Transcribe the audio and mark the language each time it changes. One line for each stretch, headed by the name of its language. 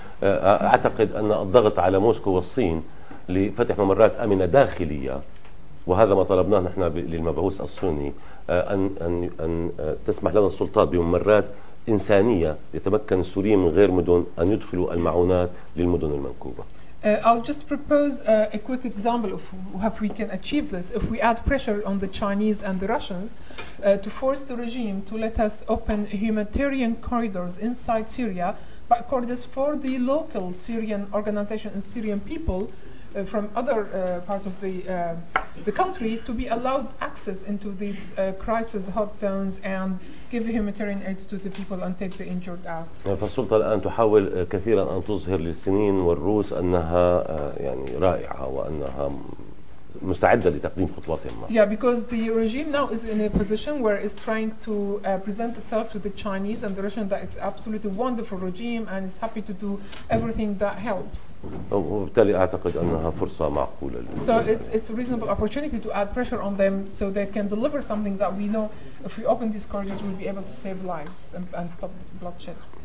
Arabic: أعتقد أن الضغط على موسكو والصين لفتح ممرات آمنة داخلية وهذا ما طلبناه نحن للمبعوث الصيني أن تسمح لنا السلطات بممرات إنسانية يتمكن السوريين من غير مدن أن يدخلوا المعونات للمدن المنكوبة.
English: I'll just propose a quick example of how we can achieve this. If we add pressure on the Chinese and the Russians to force the regime to let us open humanitarian corridors inside Syria, but corridors for the local Syrian organization and Syrian people from other parts of the country to be allowed access into these crisis hot zones and give humanitarian aid to the people and take the injured out.
Arabic: فالسلطة الآن تحاول كثيرا أن تظهر للصينيين والروس أنها يعني رائعة وأنها مستعدة لتقديم خطواتهم.
English: Yeah, because the regime now is in a position where it's trying to present itself to the Chinese and the Russian that it's absolutely wonderful regime and it's happy to do everything that helps.
Arabic: وبالتالي أعتقد أنها فرصة معقولة.
English: So it's a reasonable opportunity to add pressure on them so they can deliver something that we know if we open these corridors we'll be able to save lives and stop bloodshed.